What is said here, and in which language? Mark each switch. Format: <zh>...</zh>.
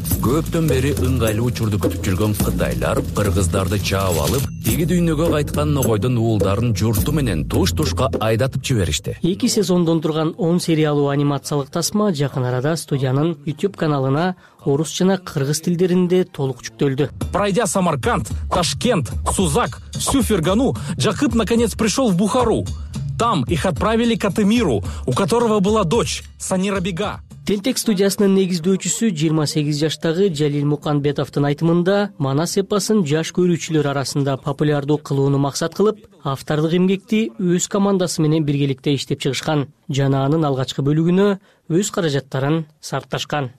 <ky>Көптөн бери ыңгайлуу учурду күтүп жүргөн кытайлар кыргыздарды чаап алып, теги дүйнөгө кайткан ногойдун уулдарын журту менен туш-тушка айдатып жиберишти. Эки сезондон турган 10 сериялуу анимациялык тасма жакын арада студиянын YouTube каналына орус жана кыргыз тилдеринде толук жүктөлдү.</ky> <ru>Пройдя Самарканд, Ташкент, Сузак, всю Фергану, Жакып наконец пришел в Бухару. Там их отправили к Атемиру, у которого была дочь Санира Бега.</ru> <ky>Тентек студиясынын негиздөөчүсү 28 жаштагы Жалил Муканбетовтун айтымында Манас эпосун жаш көрүүчүлөр арасында популярдуу кылууну максат кылып, автордук эмгекти өз командасы менен биргеликте иштеп чыгышкан жана анын алгачкы бөлүгүнө өз каражаттарын сарпташкан.</ky>